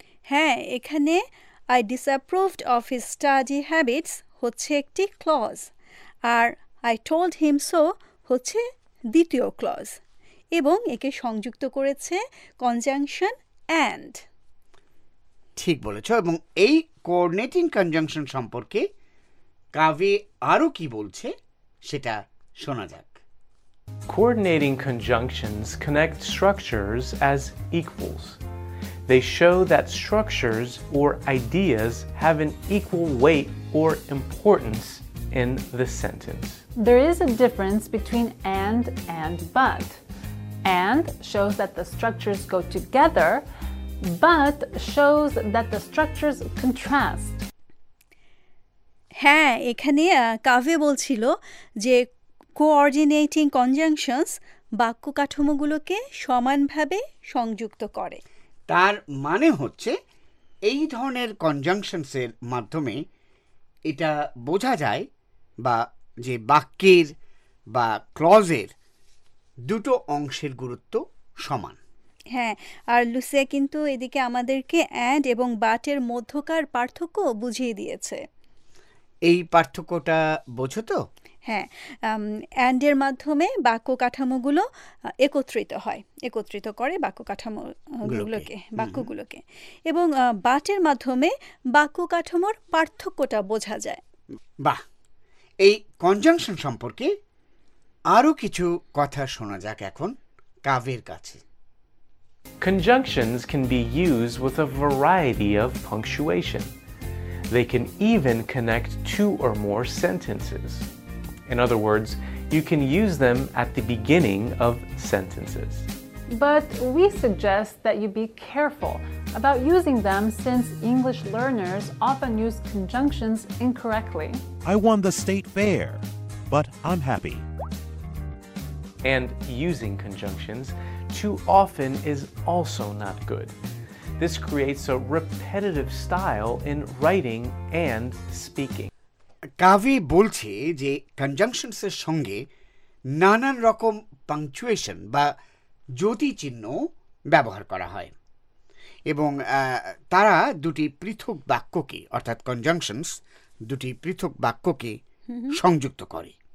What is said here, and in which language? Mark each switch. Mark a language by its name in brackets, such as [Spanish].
[Bangla] হ্যাঁ, এখানে [English] I disapprove of his study habits [Bangla] হচ্ছে একটি clause, আর [English] I told him so [Bangla] হচ্ছে দ্বিতীয় ক্লজ, এবং একে সংযুক্ত করেছে কনজাংশন অ্যান্ড। ঠিক বলেছ। এবং এই কোঅর্ডিনেটিং কনজাংশন সম্পর্কে কাভি আরও কি বলছে সেটা শোনা যাক। [English] Coordinating conjunctions connect structures as equals. They show that structures or ideas have an equal weight or importance in the sentence. There is a difference between and but. And shows that the structures go together, but shows that the structures contrast. [Bangla] হ্যাঁ, এখানে কাভে বলছিল যে coordinating conjunctions বাক্য কাঠামোগুলোকে সমানভাবে সংযুক্ত করে। তার মানে হচ্ছে এই ধরনের কনজাংশনসের মাধ্যমে এটা বোঝা যায় বা যে বাক্যের বা ক্লজের দুটো অংশের গুরুত্ব সমান। হ্যাঁ, আর লুসিয়া কিন্তু এদিকে আমাদেরকে অ্যান্ড এবং বাটের মধ্যকার পার্থক্য বুঝিয়ে দিয়েছে। এই পার্থক্যটা বোঝো তো? হ্যাঁ, অ্যান্ডের মাধ্যমে বাক্য কাঠামোগুলো একত্রিত হয়, একত্রিত করে বাক্য কাঠামোগুলোকে, বাক্যগুলোকে, এবং বাটের মাধ্যমে বাক্য কাঠামোর পার্থক্যটা বোঝা যায়। বাহ, এই কনজাংশন সম্পর্কে আরো কিছু কথা শোনা যাক এখন কাভের কাছে। [English] Conjunctions can be used with a variety of punctuation. They can even connect two or more sentences. In other words, you can use them at the beginning of sentences. But we suggest that you be careful about using them, since English learners often use conjunctions incorrectly. I won the state fair, but I'm happy. And using conjunctions too often is also not good. This creates a repetitive style in writing and speaking. [Bangla] কাভি বলছে যে কনজাংশনসের সঙ্গে নানান রকম punctuation বা যতিচিহ্ন ব্যবহার করা হয়, এবং তারা দুটি পৃথক বাক্যকে, অর্থাৎ কনজাংশনস দুটি পৃথক বাক্যকে সংযুক্ত করে।